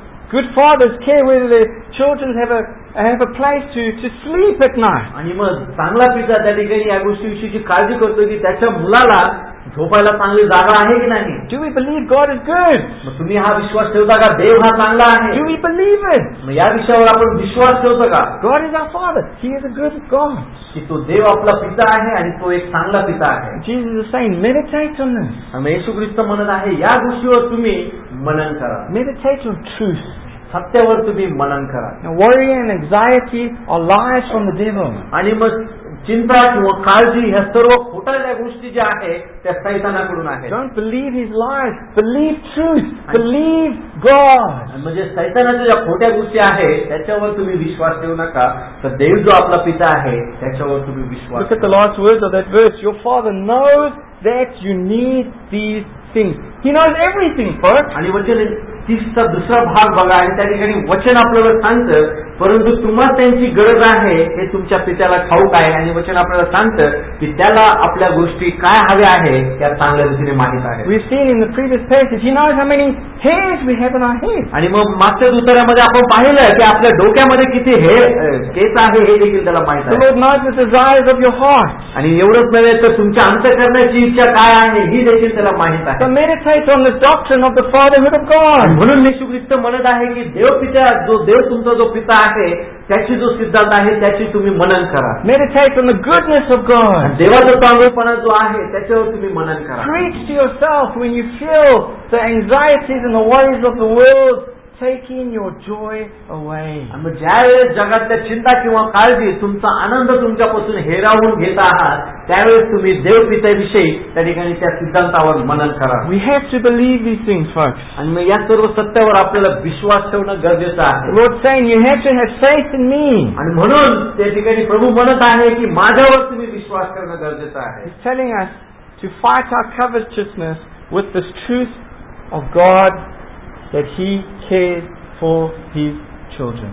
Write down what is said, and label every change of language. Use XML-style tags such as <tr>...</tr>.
<en>Good fathers care whether their children have a place to sleep at night.</en> <mr>आणि मग चांगला पिता त्या ठिकाणी या गोष्टीविषयीची काळजी करतो की त्याच्या मुलाला झोपायला चांगली जागा आहे की नाही.</mr> <en>Do we believe God is good?</en> <mr>मग तुम्ही हा विश्वास ठेवता का देव हा चांगला आहे?</mr> <en>Do we believe it?</en> <mr>मग या विषयावर आपण विश्वास ठेवतो का?</mr> <en>God is our father. He is a good God.</en> <mr>की तो देव आपला पिता आहे आणि तो एक चांगला पिता आहे.</mr> <en>Jesus is saying, meditate on this.</en> <mr>आणि येशू ख्रिस्त म्हणत आहे या गोष्टीवर तुम्ही मनन करा.</mr> <en>Meditate on truth.</en> <mr>सत्यावर तुम्ही मनन करा.</mr> <en>Worry and anxiety are lies from the devil.</en> <mr>आणि मग चिंता किंवा काळजी ह्या सर्व खोट्या गोष्टी ज्या आहे त्या सैतानाकडून आहे.</mr> <en>Don't believe his lies. Believe truth. Believe God.</en> <mr>म्हणजे सैतानाच्या ज्या खोट्या गोष्टी आहे त्याच्यावर तुम्ही विश्वास ठेवू नका, तर देव जो आपला पिता आहे त्याच्यावर तुम्ही विश्वास.</mr> <en>Look at the last words of that verse. Your father knows that you need these things. He knows everything, folks.</en> <mr>आणि वचन तिसचा दुसरा भाग बघा आणि त्या ठिकाणी वचन आपल्याला सांगतं, परंतु तुम्हाला त्यांची गरज आहे हे तुमच्या पित्याला ठाऊक आहे. आणि वचन आपल्याला सांगतं की त्याला आपल्या गोष्टी काय हव्या आहे त्या चांगल्या रीतीने माहित आहे.</mr> <en>We've seen in the previous passage, he knows how many hairs we have in our head.</en> <mr>आणि मग मागच्या दुसऱ्यामध्ये आपण पाहिलं की आपल्या डोक्यामध्ये किती केस आहे हे देखील त्याला माहित आहे.</mr> <en>The Lord knows the desires of your heart.</en> <mr>आणि एवढंच नव्हे तर तुमच्या अंतःकरणाची इच्छा काय आहे ही देखील त्याला माहित आहे.</mr> <en>The meditate on the doctrine of the fatherhood of God.</en> <mr>म्हणून येशू ख्रिस्त म्हणत आहे की देव पिता जो देव तुमचा जो पिता आहे त्याची जो सिद्धांत आहे त्याची तुम्ही मनन करा.</mr> <en>Meditate on the goodness of God.</en> <mr>देवाचा चांगलेपणा जो आहे त्याच्यावर तुम्ही मनन करा.</mr> <en>Preach to yourself when you feel the anxieties and the worries of the world taking your joy away.</en> <mr>आणि ज्यावेळेस जगातल्या चिंता किंवा काळजी तुमचा आनंद तुमच्यापासून हेरावून घेत आहात त्यावेळेस तुम्ही देव पित्याविषयी त्या ठिकाणी त्या सिद्धांतावर मनन करा.</mr> <en>We have to believe these things first.</en> <mr>आणि मग या सर्व सत्यावर आपल्याला विश्वास ठेवणं गरजेचं आहे.</mr> <en>The Lord saying, you have to have faith in me.</en> <mr>आणि म्हणून त्या ठिकाणी प्रभू म्हणत आहे की माझ्यावर तुम्ही विश्वास करणं गरजेचं आहे.</mr> <en>He's telling us to fight our covetousness with this truth of God that he cares for his children.</en>